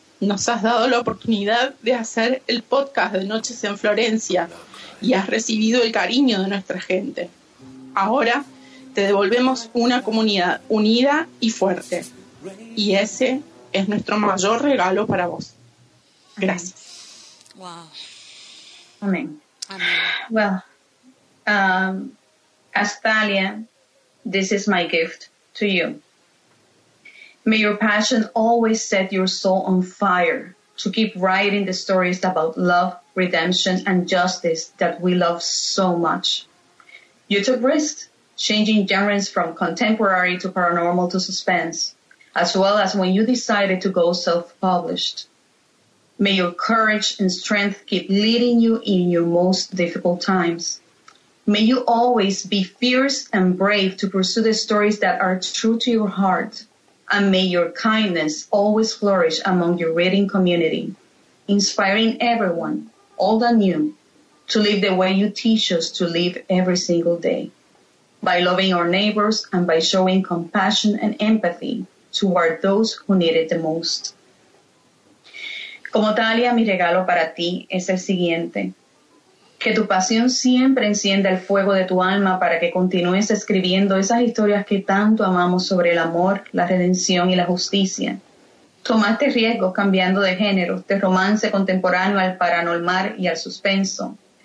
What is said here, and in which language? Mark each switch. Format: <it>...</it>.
<es>Nos has dado la oportunidad de hacer el podcast de Noches en Florencia y has recibido el cariño de nuestra gente. Ahora te devolvemos una comunidad unida y fuerte, y ese es nuestro mayor regalo para vos. Gracias.</es> <en>Wow.</en> <es>Amén.</es> <en>Well, Astalia, this is my gift to you. May your passion always set your soul on fire to keep writing the stories about love, redemption, and justice that we love so much. You took risks, changing genres from contemporary to paranormal to suspense, as well as when you decided to go self-published. May your courage and strength keep leading you in your most difficult times. May you always be fierce and brave to pursue the stories that are true to your heart. And may your kindness always flourish among your reading community, inspiring everyone, old and new, to live the way you teach us to live every single day, by loving our neighbors and by showing compassion and empathy toward those who need it the most.</en> <es>Como Talia, mi regalo para ti es el siguiente. Que tu pasión siempre encienda el fuego de tu alma para que continúes escribiendo esas historias que tanto amamos sobre el amor, la redención y la justicia. Tomaste riesgos cambiando de género, de romance contemporáneo al paranormal y al suspenso.</es>